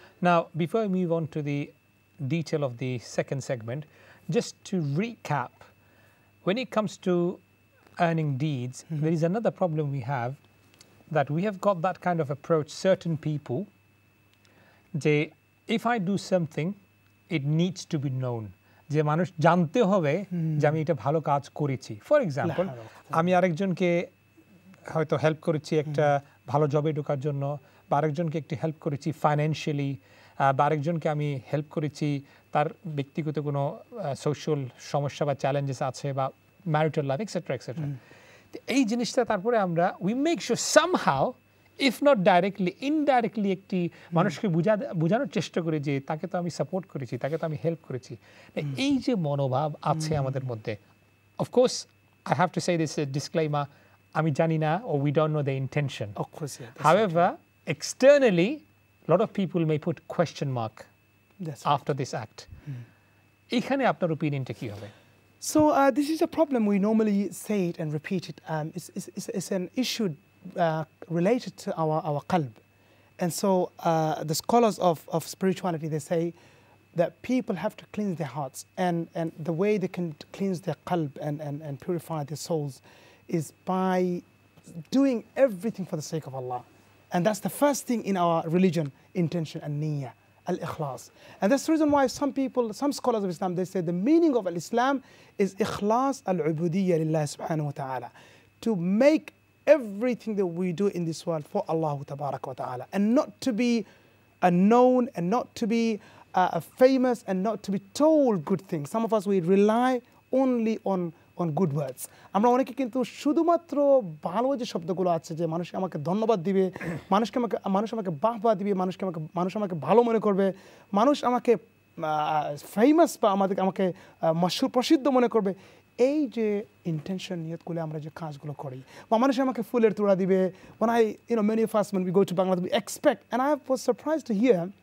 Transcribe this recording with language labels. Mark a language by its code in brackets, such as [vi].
[en] Now, before I move on to the detail of the second segment, just to recap, when it comes to earning deeds, mm-hmm. there is another problem we have, that we have got that kind of approach, certain people, they, if I do something, it needs to be known. [bn] যে মানুষ জানতে হবে যে আমি এটা ভালো কাজ করেছি. [en] for example, [bn] আমি আরেকজনকে হয়তো হেল্প করেছি একটা ভালো জবে ঢোকার জন্য, বা আরেকজনকে একটু হেল্প করেছি ফাইন্যান্সিয়ালি, বা আরেকজনকে আমি হেল্প করেছি তার ব্যক্তিগত কোনো সোশ্যাল সমস্যা বা চ্যালেঞ্জেস আছে, বা ম্যারিটাল লাইফ এক্সেট্রা এক্সেট্রা. এই জিনিসটা তারপরে আমরা [en] we make sure somehow, if not directly indirectly, [bn] একটি মানুষকে বোঝানোর চেষ্টা করি যে তাকে তো আমি সাপোর্ট করেছি, তাকে তো আমি হেল্প করেছি. এই যে মনোভাব আছে আমাদের মধ্যে, [en] of course I have to say this disclaimer, [bn] আমি জানি না, [en] ও we don't know the intention. However, externally lot of people may put question mark That's after right. this act. [bn] এখানে আপনার ওপিনিয়নটা কি হবে? [en] So this is a problem we normally say it and repeat it. It's an issue related to our qalb. And so the scholars of spirituality, they say that people have to cleanse their hearts. And the way they can cleanse their qalb and purify their souls is by doing everything for the sake of Allah. And that's the first thing in our religion, intention and niyyah. Al-ikhlas. And that's the reason why some people, some scholars of Islam, they say the meaning of Al-Islam is ikhlas al-ubudiyya lillahi subhanahu wa ta'ala. To make everything that we do in this world for Allah tabarak wa ta'ala. And not to be known and not to be famous and not to be told good things. Some of us, we rely only on good words. [bn] আমরা অনেকে কিন্তু শুধুমাত্র ভালো যে শব্দগুলো আছে যে মানুষকে আমাকে ধন্যবাদ দিবে মানুষকে আমাকে মানুষ আমাকে বাহবা দিবে মানুষকে আমাকে মানুষ আমাকে ভালো মনে করবে মানুষ আমাকে ফেমাস বা আমাদের আমাকে মশহুর প্রসিদ্ধ মনে করবে এই যে ইন্টেনশন নিয়তগুলো আমরা যে কাজগুলো করি বা মানুষ আমাকে ফুলের তোড়া দিবে [en] when I you know many of us when we go to Bangladesh we expect and I was surprised to hear